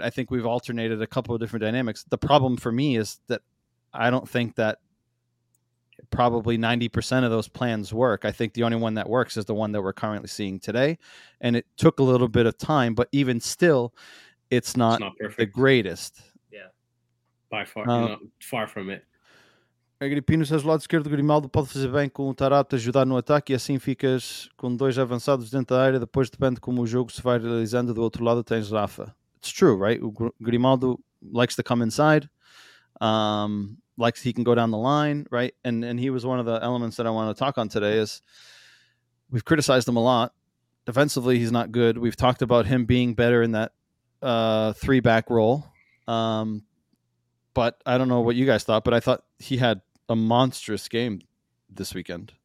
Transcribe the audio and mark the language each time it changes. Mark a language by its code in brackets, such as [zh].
[en] I think we've alternated a couple of different dynamics. The problem for me is that I don't think that probably 90% of those plans work. I think the only one that works is the one that we're currently seeing today. And it took a little bit of time, but even still, it's not perfect. The greatest. Yeah, by far, far from it. [pt] Agrippino seja do lado esquerdo, Grimaldo pode fazer bem com o Tarapto ajudar no ataque e assim ficas com dois avançados dentro da área. Depois depende como o jogo se vai realizando. Do outro lado tens Rafa. [en] It's true, right? O Grimaldo likes to come inside. Likes he can go down the line, right? And he was one of the elements that I want to talk on today is we've criticized him a lot. Defensively, he's not good. We've talked about him being better in that three-back role. But I don't know what you guys thought, but I thought he had a monstrous game this weekend.